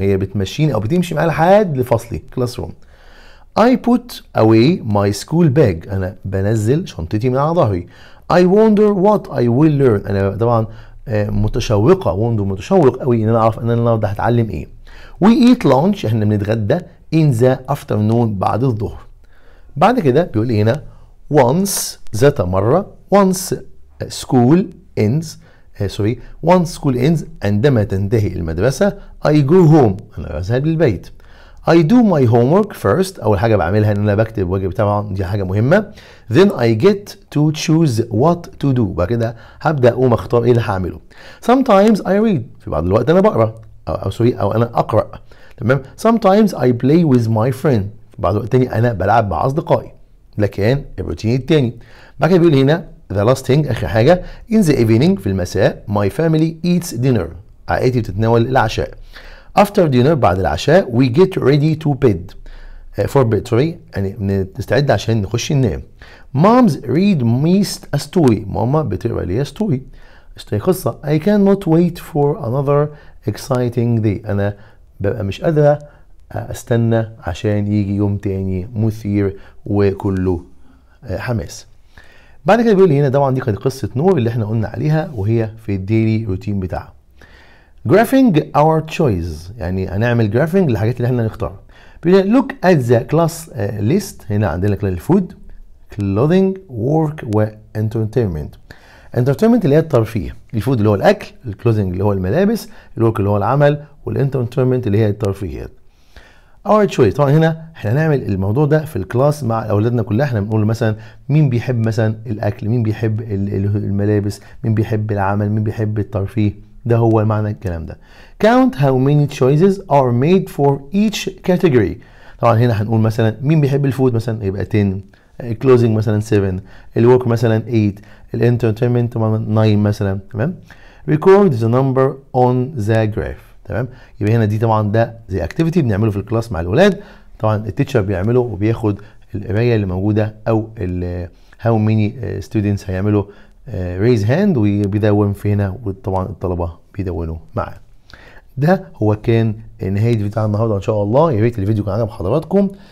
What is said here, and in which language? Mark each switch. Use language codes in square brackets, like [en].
[ar] هي بتمشيني او بتمشي معايا لحد لفصلي classroom. [en] I put away my school bag. [ar] انا بنزل شنطتي من على ظهري. [en] I wonder what I will learn. [ar] انا طبعا متشوقه متشوق قوي ان انا اعرف ان انا النهارده هتعلم ايه. [en] We eat lunch, [ar] احنا بنتغدى [en] in the afternoon, [ar] بعد الظهر. بعد كده بيقول هنا once, ذات مره. [en] Once school ends, sorry, once school ends, [ar] عندما تنتهي المدرسة, [en] I go home, [ar] انا اذهب للبيت. [en] I do my homework first, [ar] اول حاجة بعملها ان انا بكتب واجب طبعا, دي حاجة مهمة. [en] Then I get to choose what to do, [ar] بعد كده هبدأ اقوم اختار ايه اللي هعمله. [en] Sometimes I read, [ar] في بعض الوقت انا بقرأ, او انا اقرأ, تمام. [en] Sometimes I play with my friend, [ar] في بعض الوقت تاني انا بلعب مع اصدقائي. لكن الروتين التاني بعد كده بيقول هنا [en] the last thing, [ar] اخر حاجة. [en] In the evening, [ar] في المساء, [en] my family eats dinner, [ar] عائلتي بتتناول العشاء. [en] After dinner, [ar] بعد العشاء, [en] we get ready to bed, for bed, sorry, [ar] يعني نستعد عشان نخش ننام. [en] Moms read me a story, [ar] ماما بتقرأ لي [en] story [ar] قصة. [en] I cannot wait for another exciting day, [ar] انا ببقى مش قادرة استنى عشان يجي يوم تاني مثير وكله حماس. بعد كده بيقول هنا طبعا دي كانت قصة نور اللي احنا قلنا عليها وهي في الديلي روتين بتاعها. [en] Graphing our choice, [ar] يعني هنعمل graphing للحاجات اللي احنا نختار. بيقول هنا [en] look at the class list, هنا عندنا food, clothing, work و entertainment. [ar] Entertainment اللي هي الترفيه, الفود اللي هو الاكل, الclothing اللي هو الملابس, الwork اللي هو العمل, والentertainment اللي هي الترفيهات. [en] Our choice, [ar] طبعا هنا احنا نعمل الموضوع ده في الكلاس مع اولادنا كلها. احنا بنقول مثلا مين بيحب مثلا الاكل, مين بيحب الملابس, مين بيحب العمل, مين بيحب الترفيه. ده هو معنى الكلام ده. [en] Count how many choices are made for each category. [ar] طبعا هنا هنقول مثلا مين بيحب الفود مثلا يبقى 10, الكلوزنج مثلا 7, الورك مثلا 8, الانترتينمنت 9 مثلا, تمام. [en] Record the number on the graph, [ar] تمام. يبقى هنا دي طبعا ده زي اكتيفيتي بنعمله في الكلاس مع الاولاد. طبعا التيتشر بيعمله وبياخد القرايه اللي موجوده او [en] how many students [ar] هيعملوا [en] raise hand [ar] وبيدون في هنا, وطبعا الطلبه بيدونوا معاه. ده هو كان نهايه الفيديو بتاع النهارده ان شاء الله. يا ريت الفيديو كان عجب حضراتكم.